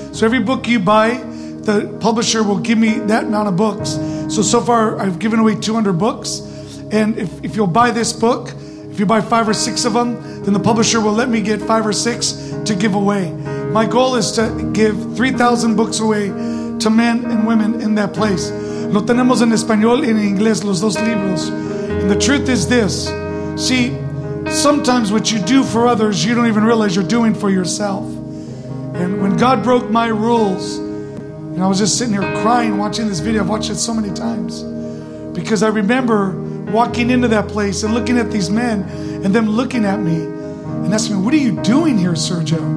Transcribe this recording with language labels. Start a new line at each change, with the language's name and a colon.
English: So every book you buy, the publisher will give me that amount of books. So far, I've given away 200 books. And if you'll buy this book, if you buy five or six of them, then the publisher will let me get five or six to give away. My goal is to give 3,000 books away to men and women in that place.
Spanish: Lo tenemos en español y en inglés, los dos libros.
English: And the truth is this. See, sometimes what you do for others, you don't even realize you're doing for yourself. And when God broke my rules, and I was just sitting here crying watching this video, I've watched it so many times, because I remember walking into that place and looking at these men and them looking at me and asking me, what are you doing here, Sergio?